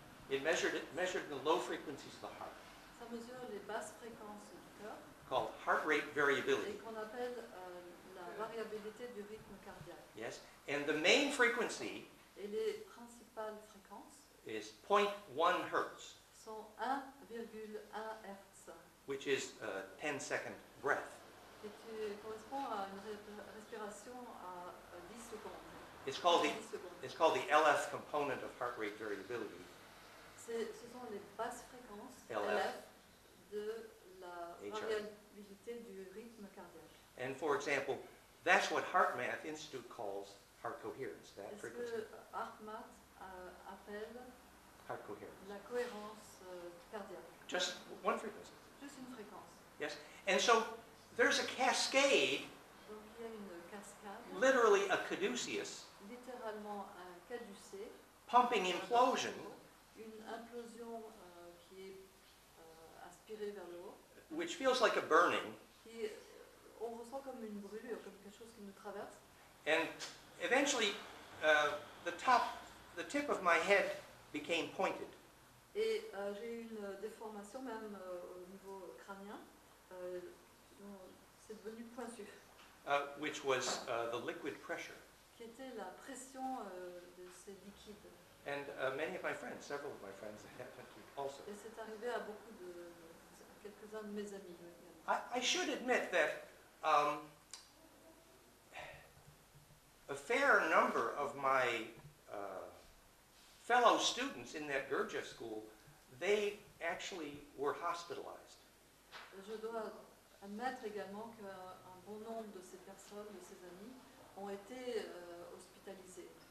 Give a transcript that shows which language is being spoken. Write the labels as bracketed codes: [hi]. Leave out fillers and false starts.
[en] It measured the low frequencies of the heart. [fr] Ça mesure les basses fréquences du cœur. [en] Called heart rate variability. [fr] Et qu'on appelle la variabilité du rythme cardiaque. [en] Yes, and the main frequency. [fr] Et les principales fréquences. [en] Is 0.1 hertz. [fr] Sont 1,1 hertz. [en] Which is a 10-second breath. [fr] Et qui correspond à une respiration à 10 secondes. [en] It's called the LF component of heart rate variability. [fr] Ce sont les basses fréquences LF de la variabilité du rythme cardiaque. [en] And for example, that's what HeartMath Institute calls heart coherence, that [fr] Est-ce [en] frequency. [fr] Que HeartMath appelle [en] heart coherence. [fr] La cohérence cardiaque? [en] Just one frequency. [fr] Juste une fréquence. [en] Yes. And so there's a cascade. [fr] Donc il y a une cascade. [en] Literally a caduceus. [fr] Littéralement un caducé. [en] Pumping implosion. [fr] Une implosion qui est aspirée vers le haut. [en] Which feels like a burning. [fr] On ressent comme une brûlure, comme quelque chose qui nous traverse. [en] And eventually, the tip of my head became pointed. [fr] Et j'ai eu une déformation même au niveau crânien. C'est devenu pointu. [en] Which was the liquid pressure. [fr] Qui était la pression de ces liquides. [en] And many of my friends, several of my friends, happened to also. [fr] Et c'est arrivé à beaucoup de quelques-uns de mes amis. [en] I should admit that a fair number of my fellow students in that Gurdjieff school, they actually were hospitalized. [fr] Je dois admettre également qu'un bon nombre de ces personnes, de ces amis, ont été hospitalisés.